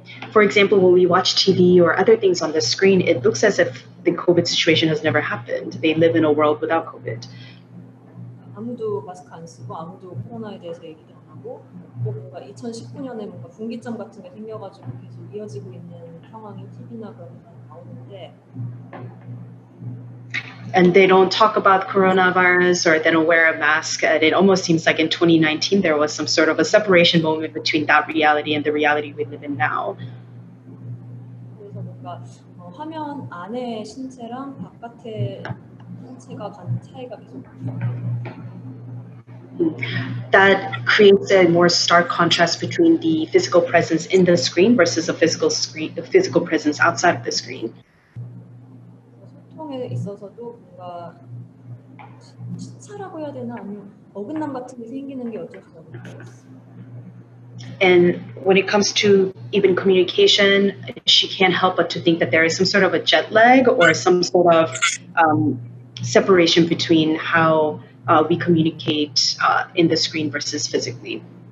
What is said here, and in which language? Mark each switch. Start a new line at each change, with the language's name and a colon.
English: For example, when we watch TV or other things on the screen, it looks as if the COVID situation has never happened. They live in a world without COVID.
Korean: 아무도 마스크 안 쓰고 아무도 코로나에 대해서 얘기도 안 하고 뭔가 2019년에 뭔가 분기점 같은 게 생겨가지고 계속 이어지고 있는 상황이 TV나 그런 데 나오는데.
English: And they don't talk about coronavirus or they don't wear a mask. And it almost seems like in 2019, there was some sort of a separation moment between that reality and the reality we live in now.
Korean: 그래서 뭔가 화면 안에 신체랑 바깥에 신체가 가는 차이가 계속
English: That creates a more stark contrast between the physical presence in the screen versus a physical screen, the physical presence outside of the screen.
Korean: 소통에 있어서도 뭔가 시차라고 해야 되나 아니면 어긋남 같은 게 생기는 게 어쩔 수 없어요.
English: And when it comes to even communication, she can't help but to think that there is some sort of a jet lag or some sort of separation between how we communicate in the screen versus physically.